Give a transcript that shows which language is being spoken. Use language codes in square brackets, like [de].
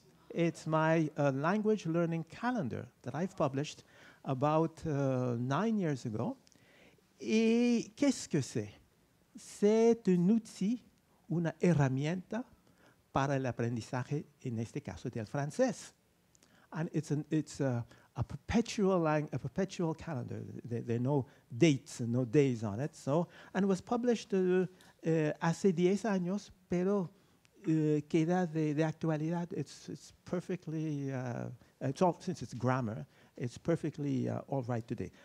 [en] It's my language learning calendar that I've published about 9 years ago. [fr] Et qu'est-ce que c'est? C'est un outil, [es] una herramienta para el aprendizaje, en este caso del francés. [en] And it's a perpetual calendar. There are no dates, no days on it. So, and it was published [es] hace 10 años, pero queda de actualidad. [en] It's perfectly, since it's grammar, it's perfectly all right today.